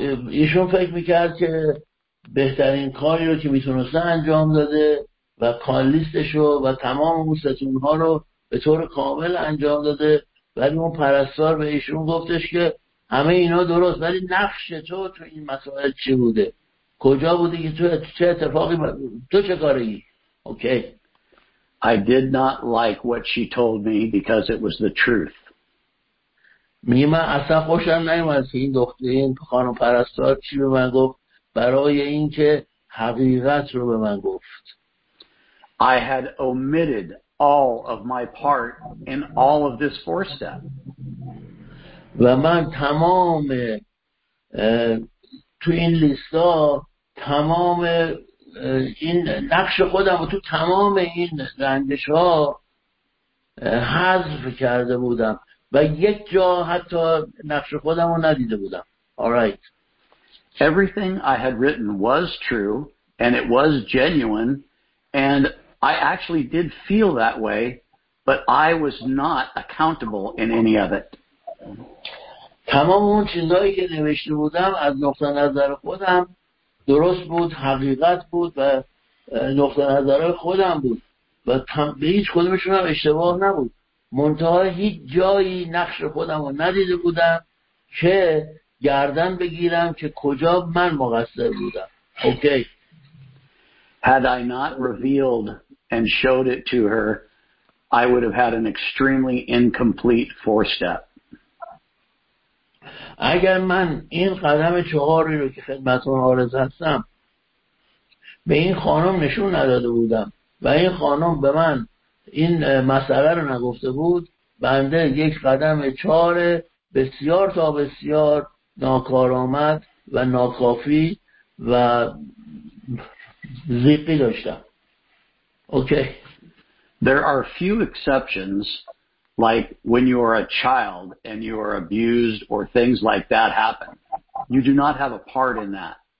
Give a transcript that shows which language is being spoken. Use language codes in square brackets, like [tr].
[fa] ایشون فکر میکرد که بهترین کاری رو که میتونسته انجام داده و کالیستش رو و تمام اون ستونها رو به طور کامل انجام داده، ولی اون پرستار به ایشون گفتش که همه اینا درست، ولی نقش تو تو این مسائل چی بوده؟ کجا بوده که تو چه اتفاقی تو چه کاری؟ اوکی. [en] I did not like what she told me because it was the truth. [fa] میگه من اصلا خوشم نیومد این دختر، این خانم پرستار چی به من گفت، برای اینکه حقیقت رو به من گفت. [en] I had omitted all of my part in all of this four step. [fa] و من تمام تو این لیستا تمام این نقش خودم تو تمام این رنجش ها حذف کرده بودم و یک جا حتی نقش خودم رو ندیده بودم. [en] All right. Everything I had written was true and it was genuine and I actually did feel that way, but I was not accountable in any of it. [fa] تمام اون چیزایی که نوشته بودم از نقطه نظر خودم درست بود، حقیقت بود و نقطه نظر خودم بود و به هیچ کدومشون هم اشتباه نبود. منتها هیچ جایی نقش خودم رو ندیده بودم که گردن بگیرم که کجا من مقصر بودم. اوکی. [en] Had I not revealed and showed it to her, I would have had an extremely incomplete four step. [fa] اگر من این قدم چهاری رو که خدمتون عارض هستم به این خانم نشون نداده بودم و این خانم به من این مسئله رو نگفته بود، بنده یک قدم چهار بسیار تا بسیار ناکارآمد و ناکافی و زیقی داشتم. اوکی. [en] There are few exceptions like when you are a child and you are abused or things like that happen. You do not have a part in that.